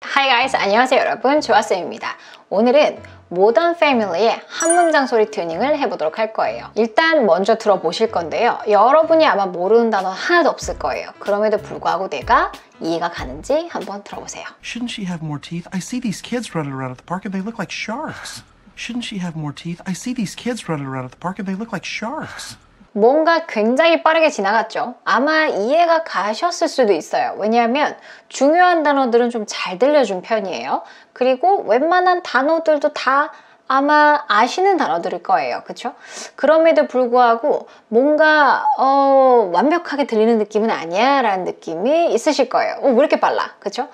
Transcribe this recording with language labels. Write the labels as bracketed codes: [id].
[en] Hi guys, [ko] 안녕하세요 여러분, 조아쌤입니다. 오늘은 모던 패밀리의 한문장 소리 튜닝을 해보도록 할 거예요. 일단 먼저 들어보실 건데요. 여러분이 아마 모르는 단어 하나도 없을 거예요. 그럼에도 불구하고 내가 이해가 가는지 한번 들어보세요. [en] Shouldn't she have more teeth? I see these kids running around at the park and they look like sharks. Shouldn't she have more teeth? I see these kids running around at the park and they look like sharks. [ko] 뭔가 굉장히 빠르게 지나갔죠? 아마 이해가 가셨을 수도 있어요. 왜냐하면 중요한 단어들은 좀 잘 들려준 편이에요. 그리고 웬만한 단어들도 다 아마 아시는 단어들일 거예요. 그쵸? 그럼에도 불구하고 뭔가 완벽하게 들리는 느낌은 아니야 라는 느낌이 있으실 거예요. 왜 이렇게 빨라? 그쵸?